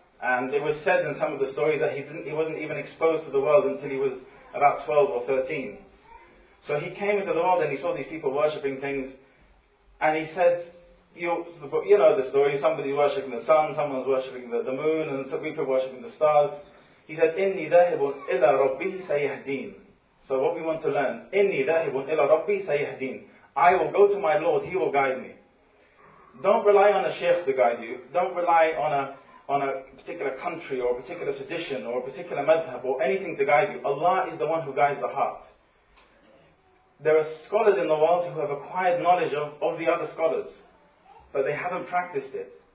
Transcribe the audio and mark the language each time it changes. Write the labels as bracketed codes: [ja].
[en] And it was said in some of the stories that he wasn't even exposed to the world until he was about 12 or 13. So he came into the world and he saw these people worshipping things. And he said, you know the story, somebody worshipping the sun, someone's worshipping the moon, and some people worshipping the stars. He said, [ar] إِنِّي ذَهِبٌ إِلَىٰ رَبِّي سَيَهْدِينَ. [en] So what we want to learn, [ar] إِنِّي ذَهِبٌ إِلَىٰ رَبِّي سَيَهْدِينَ. [en] I will go to my Lord, He will guide me. Don't rely on a sheikh to guide you. Don't rely on a particular country or a particular tradition or a particular madhab or anything to guide you. Allah is the one who guides the heart. There are scholars in the world who have acquired knowledge of the other scholars, but they haven't practiced it.